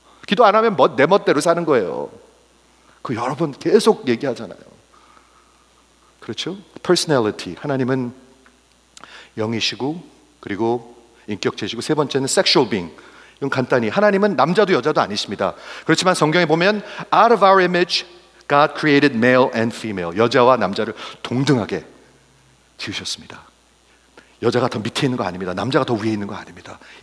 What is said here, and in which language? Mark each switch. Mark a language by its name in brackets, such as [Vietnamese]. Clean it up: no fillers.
[Korean] 기도 안 하면 내 멋대로 사는 거예요. 그 여러분 계속 얘기하잖아요. 그렇죠? personality, 하나님은 영이시고 그리고 인격체시고 세 번째는 sexual being. 이건 간단히 하나님은 남자도 여자도 아니십니다. 그렇지만 성경에 보면 [English] out of our image God created male and female. [Korean] 여자와 남자를 동등하게 지으셨습니다. 여자가 더 밑에 있는 거 아닙니다. 남자가 더 위에 있는 거 아닙니다.